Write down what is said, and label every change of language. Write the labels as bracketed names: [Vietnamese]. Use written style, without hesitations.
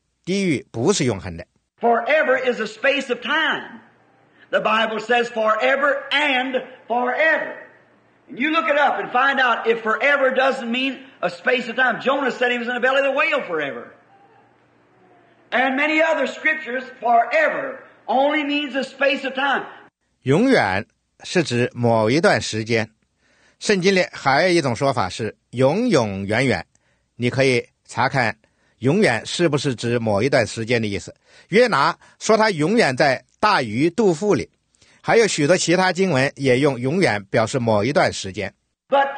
[Chinese] 而我们发现，地狱是有开头的，也是会结束的。没有人可以说地狱是永恒的，地狱是永永远远的。地狱不是永恒的。 [English] Forever is a space of time. The Bible says forever and forever. And you look it up and find out if forever doesn't mean a space of time. Jonah said he was in the belly of the whale forever. And many other scriptures, forever only means a space of time. [Chinese] 永远是指某一段时间。圣经里还有一种说法是永永远远。你可以查看永远是不是指某一段时间的意思。约拿说他永远在大鱼肚腹里。还有许多其他经文也用永远表示某一段时间。 [English] But